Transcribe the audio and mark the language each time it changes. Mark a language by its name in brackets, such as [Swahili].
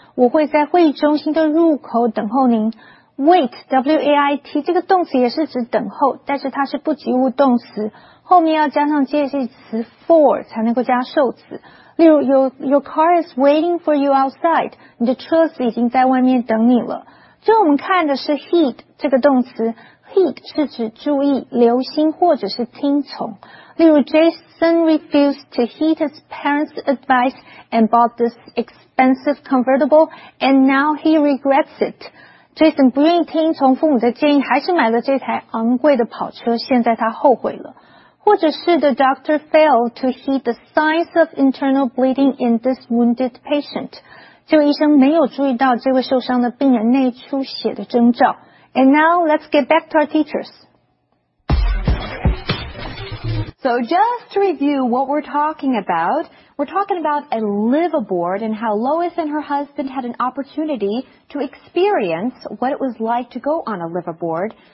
[Chinese] 我会在会议中心的入口等候您。wait W-A-I-T 这个动词也是指等候，但是它是不及物动词，后面要加上介系词 for 才能够加受词。 [English] 例如 ，Your car is waiting for you outside. [Chinese] 你的车子已经在外面等你了。这我们看的是 heed 这个动词。heed 是指注意、留心或者是听从。例如 ， [English] Jason refused to heed his parents' advice and bought this expensive convertible, and now he regrets it. [Chinese] Jason 不愿意听从父母的建议，还是买了这台昂贵的跑车，现在他后悔了。 [English] 或者是 the doctor failed to heed the signs of internal bleeding in this wounded patient. [Chinese] 这位医生没有注意到这位受伤的病人内出血的征兆. [English] And now let's get back to our teachers. So just to review what we're talking about a liveaboard and how Lois and her husband had an opportunity to experience what it was like to go on a liveaboard.